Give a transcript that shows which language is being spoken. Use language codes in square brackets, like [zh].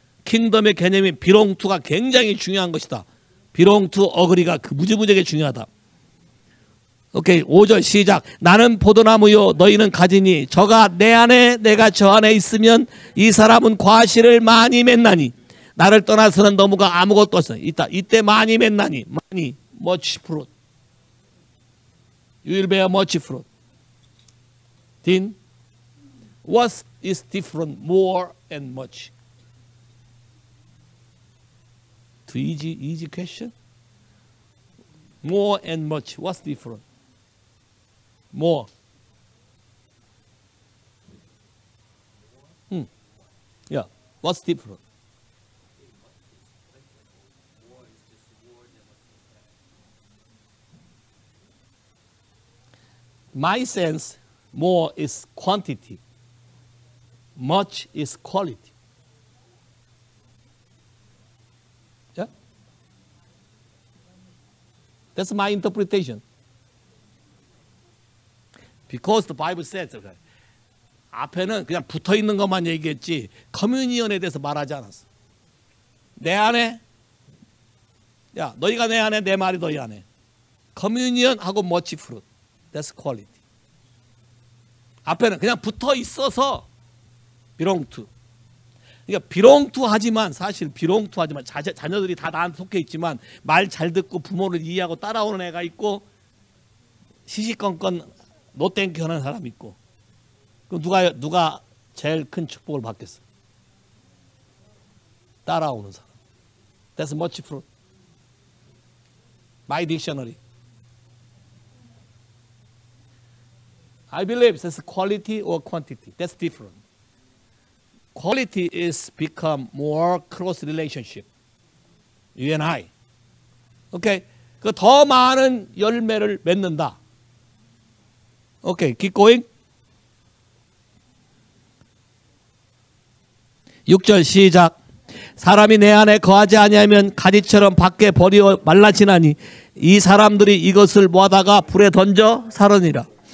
[ko] 킹덤의 개념이 비롱투가 굉장히 중요한 것이다. 비롱투 어그리가 그 무지무지하게 중요하다. 오케이. 5절 시작. 나는 포도나무요 너희는 가지니 저가 내 안에 내가 저 안에 있으면 이 사람은 과실을 많이 맺나니 나를 떠나서는 너무가 아무것도 없어. 이때 많이 맺나니. 많이. [en] Much fruit. You will bear much fruit. Then what is different? More and much. Too easy question? More and much. What's different? More. Yeah. What's different? My sense, more is quantity. Much is quality. Yeah? That's my interpretation. Because the Bible says, okay, [ko] 앞에는 그냥 붙어 있는 것만 얘기했지, 커뮤니언에 대해서 말하지 않았어. 내 안에, 야, 너희가 내 안에, 내 말이 너희 안에. 커뮤니언하고 [en] much fruit. That's quality. [ko] 앞에는 그냥 붙어 있어서, [en] belong to. [ko] 그러니까 비렁투하지만 사실 비렁투하지만 자녀들이 다 나한테 속해 있지만 말 잘 듣고 부모를 이해하고 따라오는 애가 있고 시시껑껑 노 땡큐 하는 사람이 있고 그럼 누가 제일 큰 축복을 받겠어? 따라오는 사람. [en] That's much fruit. My dictionary. I believe that's quality or quantity. That's different. Quality is become more close relationship. You and I. Okay. [ko] 그 더 많은 열매를 맺는다. [en] Okay. Keep going. [ko] 6절 시작. 사람이 내 안에 거하지 아니하면 가지처럼 밖에 버려 말라지나니 이 사람들이 이것을 모아다가 불에 던져 사르니라.